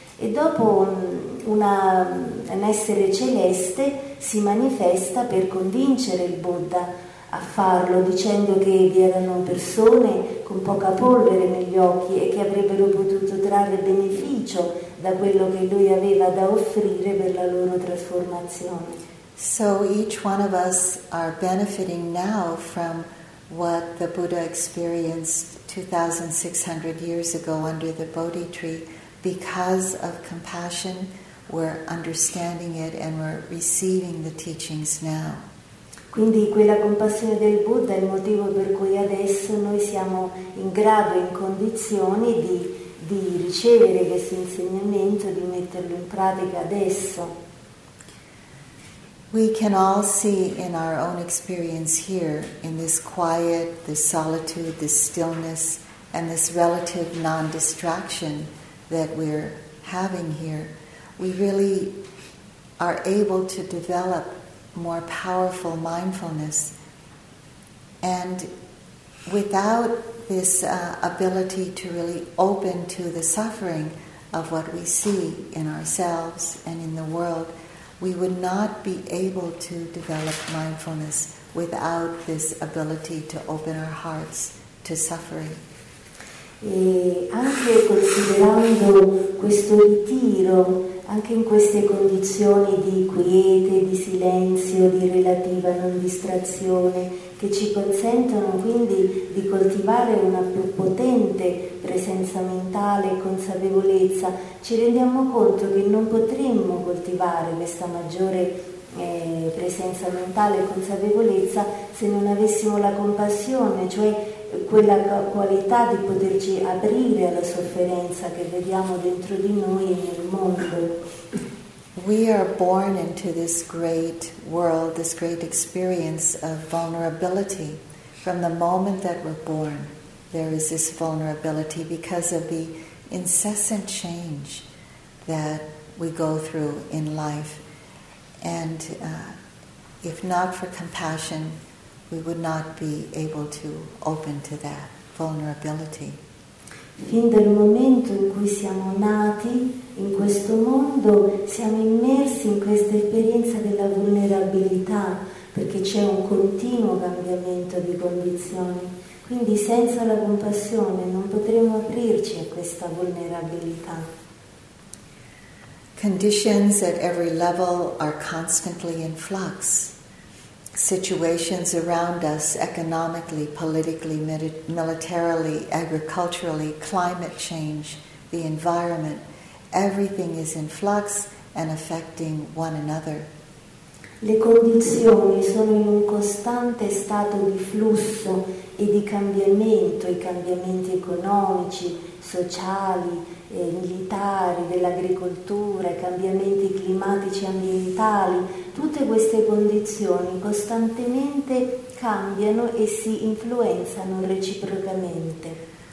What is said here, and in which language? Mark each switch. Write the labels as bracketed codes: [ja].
[it] E dopo un essere celeste si manifesta per convincere il Buddha a farlo, dicendo che vi erano persone con poca polvere negli occhi e che avrebbero potuto trarre beneficio da quello che lui aveva da offrire per la loro trasformazione. [en] So each one of us are benefiting now from what the Buddha experienced 2600 years ago under the Bodhi tree because of compassion. We're understanding it and we're receiving the teachings now. [it] Quindi quella compassione del Buddha è il motivo per cui adesso noi siamo in grado, in condizioni di ricevere questo insegnamento, di metterlo in pratica adesso. [en] We can all see in our own experience here, in this quiet, this solitude, this stillness, and this relative non-distraction that we're having here, we really are able to develop more powerful mindfulness. And without this ability to really open to the suffering of what we see in ourselves and in the world, we would not be able to develop mindfulness without this ability to open our hearts to suffering. [it] E anche considerando questo ritiro, anche in queste condizioni di quiete, di silenzio, di relativa non distrazione, che ci consentono quindi di coltivare una più potente presenza mentale e consapevolezza, ci rendiamo conto che non potremmo coltivare questa maggiore presenza mentale e consapevolezza se non avessimo la compassione, cioè quella qualità di poterci aprire alla sofferenza che vediamo dentro di noi e nel mondo. [en] We are born into this great world, this great experience of vulnerability. From the moment that we're born, there is this vulnerability because of the incessant change that we go through in life. And if not for compassion, we would not be able to open to that vulnerability. [it] Fin dal momento in cui siamo nati in questo mondo, siamo immersi in questa esperienza della vulnerabilità, perché c'è un continuo cambiamento di condizioni. Quindi senza la compassione non potremo aprirci a questa vulnerabilità. [en] Conditions at every level are constantly in flux. Situations around us, economically, politically, militarily, agriculturally, climate change, the environment, everything is in flux and affecting one another. [it] Le condizioni sono in un costante stato di flusso e di cambiamento, i cambiamenti economici, sociali, militari, dell'agricoltura, i cambiamenti climatici e ambientali, tutte queste condizioni costantemente cambiano e si influenzano reciprocamente.